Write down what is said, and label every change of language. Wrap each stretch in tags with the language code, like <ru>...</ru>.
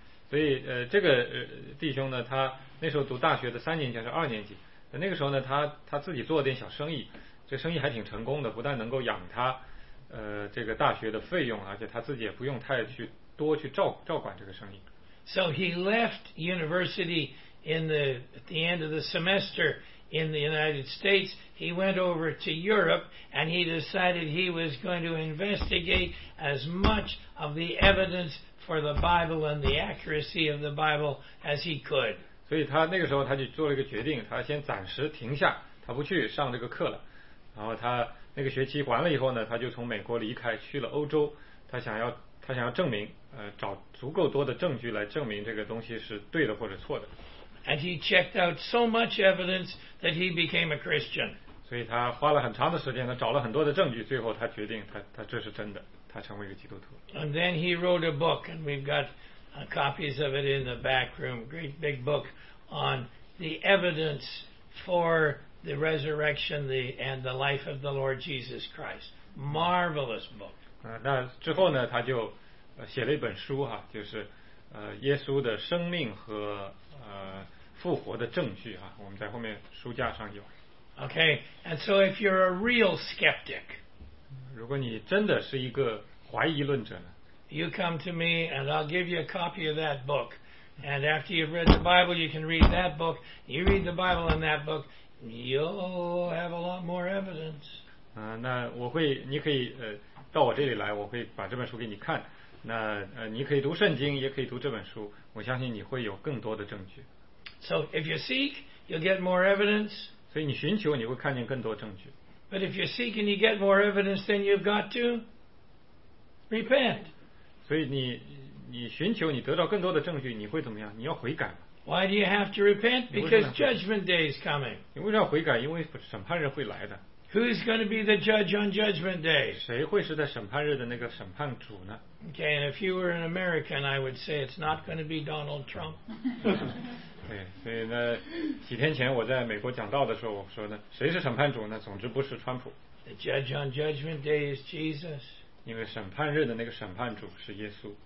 <zh>所以这个弟兄呢，他那时候读大学的三年级还是二年级，那个时候呢，他自己做了点小生意。这生意还挺成功的，不但能够养他这个大学的费用，而且他自己也不用太去多去照管这个生意。</zh> <en>So he left university at the end of the semester in the United States. He went over to Europe and he decided he was going to investigate as much of the evidence for the Bible and the accuracy of the Bible as he could.</en> <zh>所以他那个时候他就做了一个决定，他先暂时停下，他不去上这个课了。然后他那个学期完了以后呢，他就从美国离开去了欧洲，他想要证明找足够多的证据来证明这个东西是对的或者错的。</zh> <en>And he checked out so much evidence that he became a Christian.</en> <zh>所以他花了很长的时间，他找了很多的证据，最后他决定他这是真的，他成为一个基督徒。</zh> <en>And then he wrote a book, and we've got copies of it in the back room, great big book on the evidence for the resurrection and the life of the Lord Jesus Christ. Marvelous book.</en> <zh>那之后呢，他就写了一本书哈，就是耶稣的生命和复活的证据啊，我们在后面书架上有。</zh> <en>Okay, and so if you're a real skeptic,</en> <zh>如果你真的是一个怀疑论者呢</zh> <en>，You come to me and I'll give you a copy of that book, and after you've read the Bible, you can read that book. You read the Bible in that book, you'll have a lot more evidence.</en> <zh>那我会，你可以到我这里来，我会把这本书给你看。那你可以读圣经，也可以读这本书，我相信你会有更多的证据。</zh> <en>So if you seek, you'll get more evidence.</en> <zh>所以你寻求，你会看见更多证据。</zh> <en>But if you seek and you get more evidence, then you've got to repent.</en> <zh>所以你寻求，你得到更多的证据，你会怎么样？你要悔改。</zh> <en>Why do you have to repent? Because judgment day is coming.</en> <zh>你为什么要悔改？因为审判日会来的。</zh> <en>Who's going to be the judge on Judgment Day?</en> <zh>谁会是在审判日的那个审判主呢？</zh> <en>Okay, and if you were an American, I would say it's not going to be Donald Trump.</en> <zh>对，所以呢，几天前我在美国讲道的时候，我说呢，谁是审判主呢？总之不是川普。</zh> <en>The judge on Judgment Day is Jesus.</en> <zh>因为审判日的那个审判主是耶稣。</zh>